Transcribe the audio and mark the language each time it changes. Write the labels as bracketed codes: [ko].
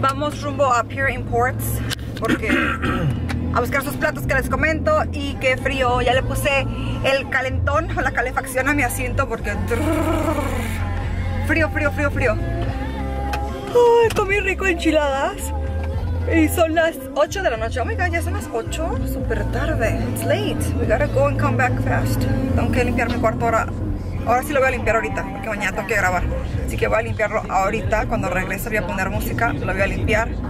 [es] Vamos rumbo a Pure Imports porque a buscar esos platos que les comento. Y qué frío, ya le puse el calentón o la calefacción a mi asiento porque frío, frío, frío, frío. Ay, comí rico enchiladas y son las 8 de la noche. [en] Oh my God, [es] ya son las 8, super tarde. [en] It's late, we gotta go and come back fast. [es] Tengo que limpiar mi cuarto ahora. Ahora sí lo voy a limpiar ahorita, porque mañana tengo que grabar. Así que voy a limpiarlo ahorita. Cuando regrese voy a poner música, lo voy a limpiar.